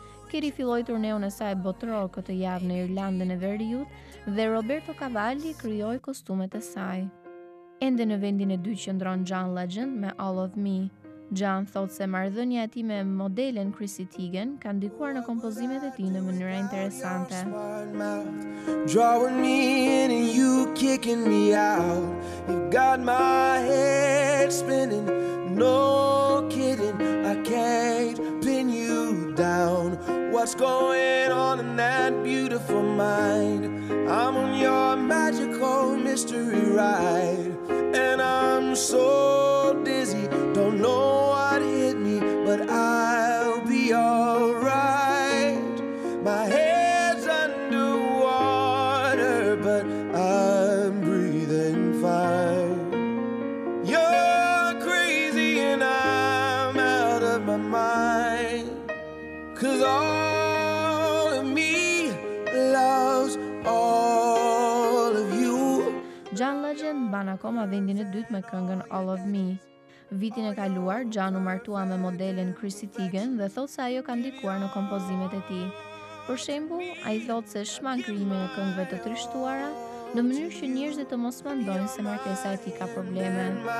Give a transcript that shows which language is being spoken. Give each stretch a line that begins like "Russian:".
Albanian: Katy filloi turneun e saj botëror këtë javë në Irlandën e Veriut dhe Roberto Cavalli krijoi kostumet e saj. Ende në vendin e dytë qëndron John Legend me All of Me. John thotë se marrëdhënia e tij me modelen Chrissy Teigen ka ndikuar në kompozimet e tij në mënyra interesante.
English: Drawing me in and you kicking me out. You got my head spinning. No kidding, I can't pin you down. What's going on in that beautiful mind? I'm on your magical mystery ride. And I'm so dizzy, don't know what hit me, but I'll be alright. My head's underwater, but I'm breathing fine. You're crazy and I'm out of my mind. 'Cause all of me loves all of you.
Albanian: John Legend mban akoma vendin e dytë me këngën All of Me. Vitin e kaluar, John u martua me modelen Chrissy Teigen dhe thot se ajo ka ndikuar në kompozimet e tij. Për shembull, ai thot se shmangrimi i këngëve të trishtuara në mënyrë që njerëzit të mos mendojnë se martesa e tij ka probleme.